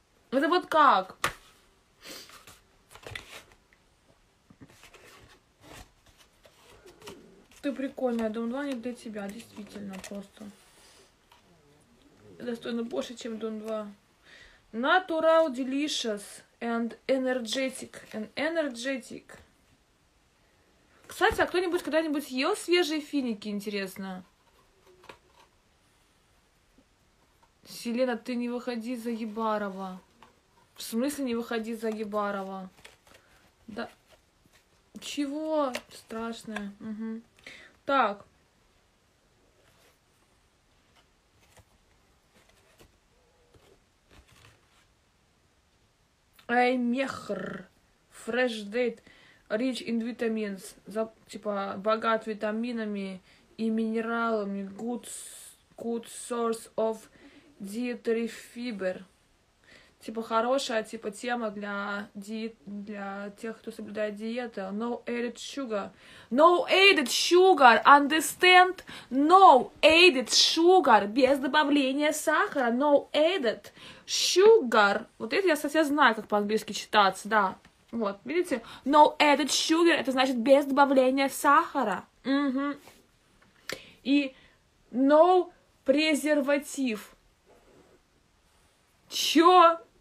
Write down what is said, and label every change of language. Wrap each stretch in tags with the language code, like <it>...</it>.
<ru>Это вот как? Ты прикольная, Дом 2 не для тебя, действительно, просто. Достойно больше, чем Дом 2.</ru> <en>Natural, delicious and energetic.</en> <ru>Кстати, а кто-нибудь когда-нибудь ел свежие финики, интересно? Селена, ты не выходи за Ебарова. В смысле не выходи за Ебарова? Да. Чего? Страшное. Угу. Так.</ru> <en>Аймехр. Fresh date. Rich in vitamins.</en> <ru>Типа, богат витаминами и минералами.</ru> <en>Good source of dietary fiber.</en> <ru>Типа, хорошая, типа, тема для диет, для тех, кто соблюдает диету.</ru> <en>No added sugar. No added sugar, understand? No added sugar,</en> <ru>без добавления сахара.</ru> <en>No added sugar.</en> <ru>Вот это я совсем знаю, как по-английски читаться, да. Вот, видите?</ru> <en>No added sugar,</en> <ru>это значит без добавления сахара. Угу. И no презерватив. Чё?</ru>